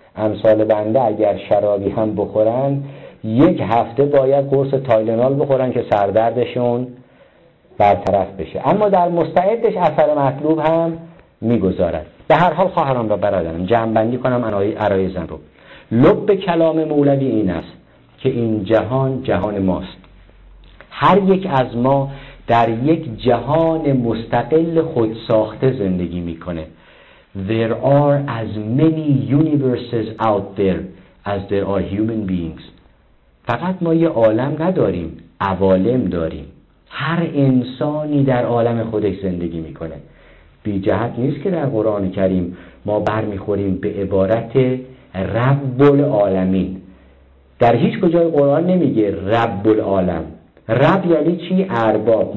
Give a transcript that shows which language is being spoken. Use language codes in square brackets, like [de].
[fa] امثال بنده اگر شرابی هم بخورن یک هفته باید قرص تایلنال بخورن که سردردشون برطرف بشه، اما در مستعدش اثر مطلوب هم میگذارد. به هر حال خواهران و برادرم، جمع‌بندی کنم عرایزم رو. لب کلام مولوی این است که این جهان جهان ماست، هر یک از ما در یک جهان مستقل خودساخته زندگی میکنه. [en] There are as many universes out there as there are human beings. [fa] فقط ما یه عالم نداریم، عوالم داریم. هر انسانی در عالم خودش زندگی میکنه. بی جهت نیست که در قرآن کریم ما برمیخوریم به عبارت رب العالمین. در هیچ کجای قرآن نمیگه رب العالم. رب یعنی چی؟ ارباب.